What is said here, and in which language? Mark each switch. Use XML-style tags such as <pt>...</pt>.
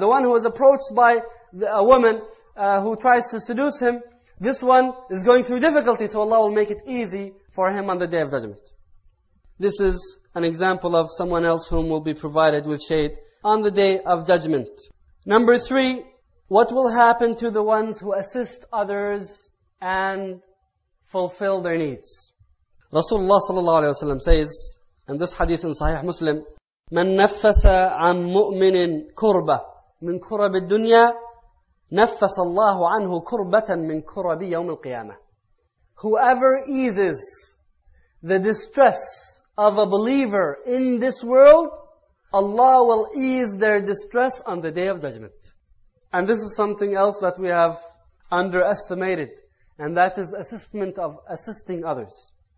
<en>The one who is approached by a woman who tries to seduce him, this one is going through difficulty, so Allah will make it easy for him on the Day of Judgment. This is an example of someone else whom will be provided with shade on the Day of Judgment. Number three, what will happen to the ones who assist others and fulfill their needs? Rasulullah sallallahu alayhi wa sallam says, in this hadith in Sahih Muslim,</en> <ar>مَن نَفَّسَ عَن مُؤْمِنٍ كُرْبَةً مِن كُرَبِ الدُّنْيَا نَفَّسَ اللَّهُ عَنْهُ كُرْبَةً مِن كُرَبِ يَوْمِ الْقِيَامَةِ.</ar> <en>Whoever eases the distress of a believer in this world, Allah will ease their distress on the Day of Judgment. And this is something else that we have underestimated, and that is assisting others.</en>